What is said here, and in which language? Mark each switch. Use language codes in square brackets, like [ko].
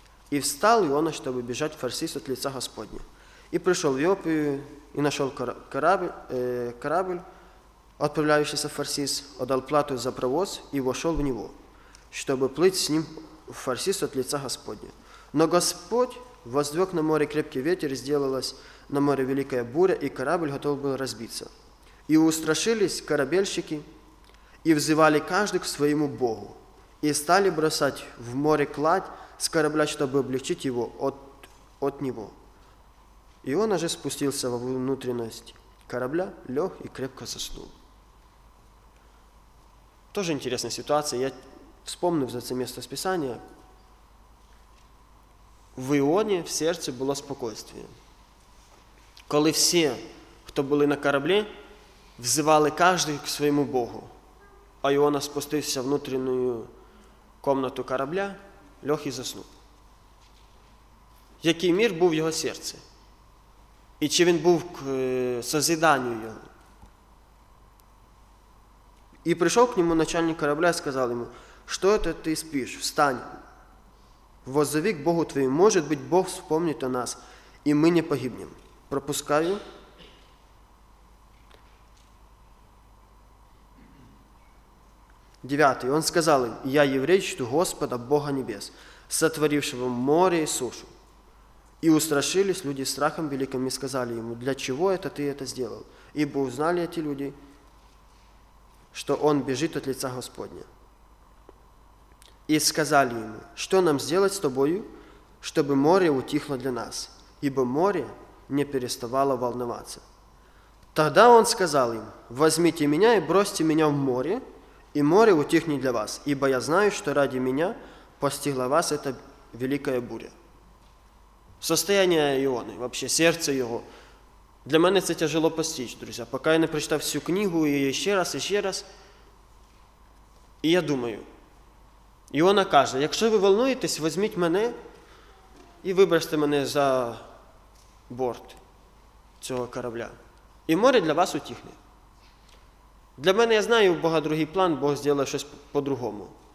[uk] І встал Іона, щоб біжати в Фарсіс від лиця Господня. І прийшов в Йопію, і знайшов корабль, відправляючийся в Фарсіс, віддав плату за провоз і війшов в нього, щоб плити з ним в Фарсіс від лиця Господня. [ru] Но Господь воздвиг на море крепкий ветер, сделалась на море великая буря, и корабль готов был разбиться. И устрашились корабельщики, и взывали каждый к своему Богу, и стали бросать в море кладь с корабля, чтобы облегчить его от него. И он уже спустился во внутренность корабля, лег и крепко заснул. Тоже интересная ситуация. Я вспомнил за это место с Писания. [uk] В Іоні в серці було спокійствие. Коли всі, хто були на кораблі, взивали кожен к своєму Богу, а Іона спустився в внутрішню кімнату корабля, ліг і заснув. Який мир був в його серці? І чи він був к созиданню його? І прийшов к нему начальник корабля і сказав йому: «Що це ти спиш? Встань! [ru] Воззови к Богу твоим, может быть, Бог вспомнит о нас, и мы не погибнем». Пропускаю. Девятый. Он сказал им: «Я еврей, чту Господа, Бога небес, сотворившего море и сушу». И устрашились люди страхом великим и сказали ему: «Для чего это ты это сделал?» Ибо узнали эти люди, что он бежит от лица Господня. И сказали ему: «Что нам сделать с тобою, чтобы море утихло для нас?» Ибо море не переставало волноваться. Тогда он сказал им: «Возьмите меня и бросьте меня в море, и море утихнет для вас, ибо я знаю, что ради меня постигла вас эта великая буря». Состояние Ионы, вообще сердце его. Для меня это тяжело постичь, друзья. Пока я не прочитал всю книгу, и еще раз, и еще раз. И я думаю... [uk] І вона каже: якщо ви волнуєтесь, візьміть мене і вибросьте мене за борт цього корабля. І море для вас утихне. Для мене, я знаю, у Бога другий план, Бог зробив щось по-другому.